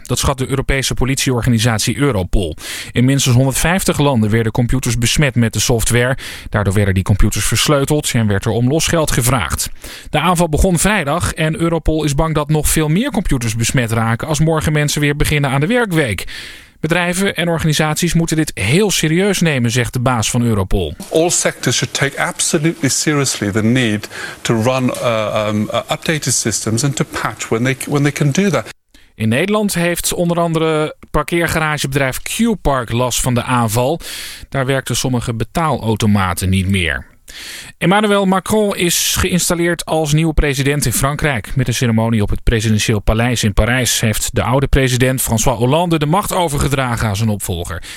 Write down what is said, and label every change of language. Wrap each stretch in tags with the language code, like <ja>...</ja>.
<nl>Dat schat de Europese politieorganisatie Europol. In minstens 150 landen werden computers besmet met de software. Daardoor werden die computers versleuteld en werd er om losgeld gevraagd. De aanval begon vrijdag en Europol is bang dat nog veel meer computers besmet raken als morgen mensen weer beginnen aan de werkweek. Bedrijven en organisaties moeten dit heel serieus nemen, zegt de baas van Europol.</nl> <en>All sectors should take absolutely seriously the need to run updated systems and to patch when they can do that.</en> <nl>In Nederland heeft onder andere parkeergaragebedrijf Q-Park last van de aanval. Daar werkten sommige betaalautomaten niet meer. Emmanuel Macron is geïnstalleerd als nieuwe president in Frankrijk. Met een ceremonie op het presidentieel paleis in Parijs heeft de oude president François Hollande de macht overgedragen aan zijn opvolger.</nl>